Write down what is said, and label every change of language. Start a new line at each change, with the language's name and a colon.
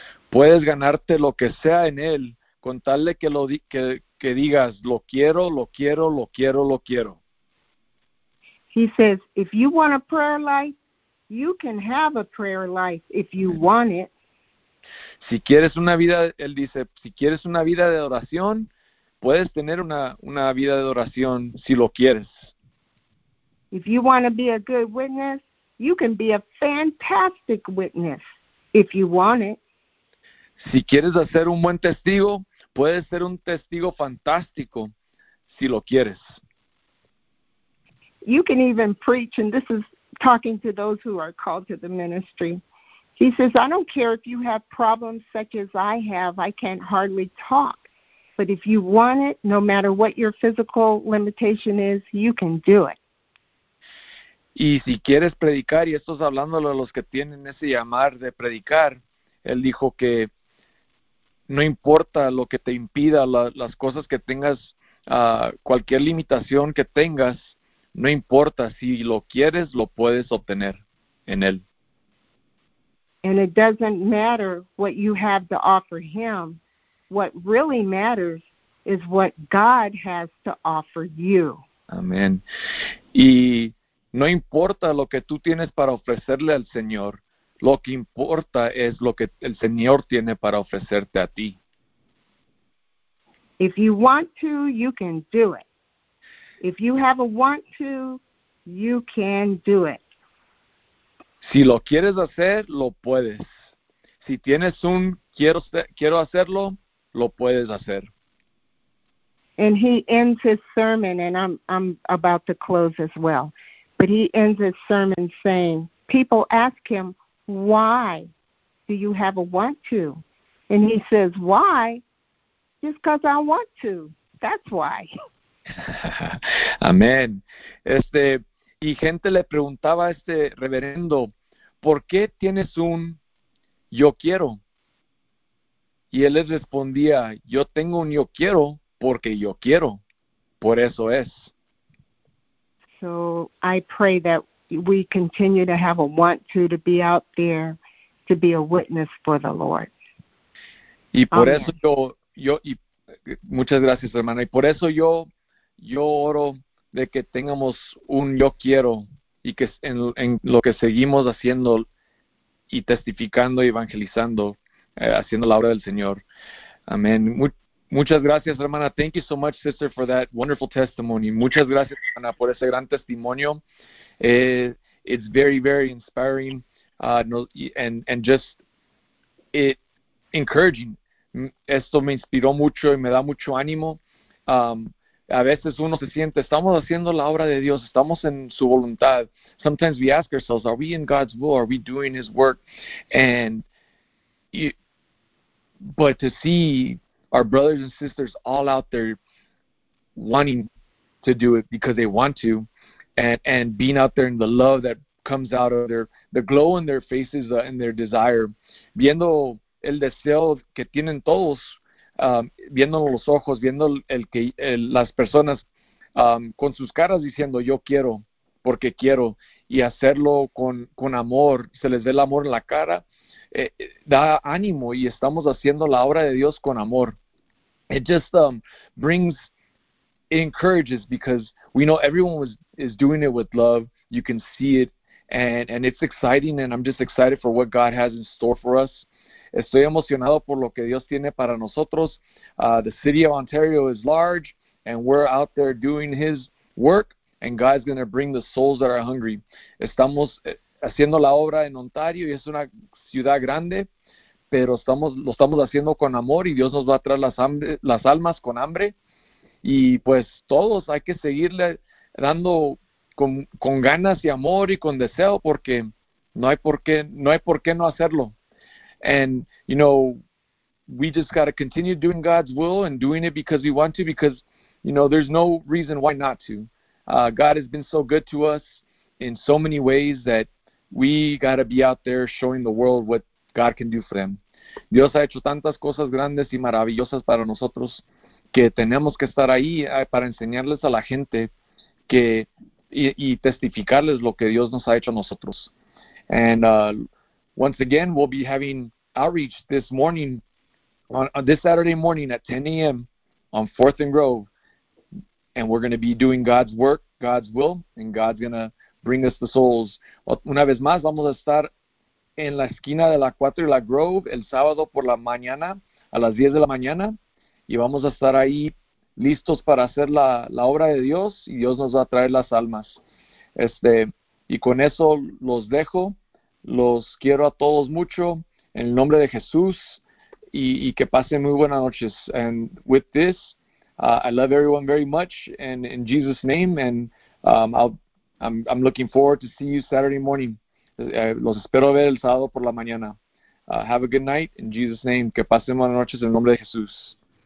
Spanish: Puedes ganarte lo que sea en él, con tal de que que digas, lo quiero, lo quiero, lo quiero, lo quiero.
English: He says, if you want a prayer life, you can have a prayer life if you want it.
Spanish: Si quieres una vida, él dice, si quieres una vida de oración, puedes tener una vida de oración si lo quieres.
English: If you want to be a good witness, you can be a fantastic witness if you want it.
Spanish: Si quieres hacer un buen testigo, puedes ser un testigo fantástico si lo quieres.
English: You can even preach, and this is talking to those who are called to the ministry. He says, I don't care if you have problems such as I have. I can't hardly talk. But if you want it, no matter what your physical limitation is, you can do it.
Spanish: Y si quieres predicar, y esto es hablándolo a los que tienen ese llamar de predicar, él dijo que no importa lo que te impida, las cosas que tengas, cualquier limitación que tengas, no importa, si lo quieres, lo puedes obtener en él.
English: And it doesn't matter what you have to offer him. What really matters is what God has to offer you.
Spanish: Amén. Y no importa lo que tú tienes para ofrecerle al Señor, lo que importa es lo que el Señor tiene para ofrecerte a ti.
English: If you want to, you can do it. If you have a want to, you can do it.
Spanish: Si lo quieres hacer, lo puedes. Si tienes un quiero hacerlo, lo puedes hacer.
English: And he ends his sermon, and I'm about to close as well. But he ends his sermon saying, people ask him, why do you have a want to? And he says, why? Just because I want to. That's why.
Spanish: Amén. Y gente le preguntaba a este reverendo, ¿por qué tienes un yo quiero? Y él les respondía, yo tengo un yo quiero porque yo quiero. Por eso es.
English: So I pray that we continue to have a want to be out there to be a witness for the Lord.
Spanish: Y por eso yo y muchas gracias, hermana. Y por eso yo oro de que tengamos un yo quiero y que en lo que seguimos haciendo y testificando y evangelizando, haciendo la obra del Señor. Amén. Muchas gracias, hermana.
English: Thank you so much, sister, for that wonderful testimony.
Spanish: Muchas gracias, hermana, por ese gran testimonio.
English: It's very, very inspiring, and just it encouraging.
Spanish: Esto me inspiró mucho y me da mucho ánimo. A veces uno se siente, estamos haciendo la obra de Dios, estamos en su voluntad.
English: Sometimes we ask ourselves, are we in God's will? Are we doing his work? But to see our brothers and sisters all out there wanting to do it because they want to, and being out there in the love that comes out of the glow in their faces and their desire,
Spanish: viendo el deseo que tienen todos, viendo los ojos, viendo las personas con sus caras diciendo yo quiero porque quiero, y hacerlo con amor, se les dé el amor en la cara, da ánimo, y estamos haciendo la obra de Dios con amor.
English: It just encourages, because we know everyone is doing it with love. You can see it, and it's exciting, and I'm just excited for what God has in store for us.
Spanish: Estoy emocionado por lo que Dios tiene para nosotros.
English: The city of Ontario is large, and we're out there doing his work, and God's going to bring the souls that are hungry.
Spanish: Estamos haciendo la obra en Ontario, y es una ciudad grande, pero lo estamos haciendo con amor, y Dios nos va a traer las almas con hambre. Y pues todos hay que seguirle dando con ganas y amor y con deseo, porque no hay por qué no hacerlo.
English: And, you know, we just got to continue doing God's will and doing it because we want to, because, you know, there's no reason why not to. God has been so good to us in so many ways that we got to be out there showing the world what God can do for them.
Spanish: Dios ha hecho tantas cosas grandes y maravillosas para nosotros que tenemos que estar ahí para enseñarles a la gente y testificarles lo que Dios nos ha hecho a nosotros.
English: And once again, we'll be having outreach this morning, on this Saturday morning at 10 a.m. on 4th and Grove. And we're going to be doing God's work, God's will, and God's going to bring us the souls.
Spanish: Una vez más, vamos a estar en la esquina de la 4 y la Grove el sábado por la mañana, a las 10 de la mañana. Y vamos a estar ahí listos para hacer la obra de Dios, y Dios nos va a traer las almas. Y con eso los dejo. Los quiero a todos mucho en el nombre de Jesús, y que pasen muy buenas noches.
English: And with this, I love everyone very much, and in Jesus' name, and I'm looking forward to see you Saturday morning.
Spanish: Los espero ver el sábado por la mañana.
English: Have a good night, in Jesus' name.
Spanish: Que pasen buenas noches en el nombre de Jesús.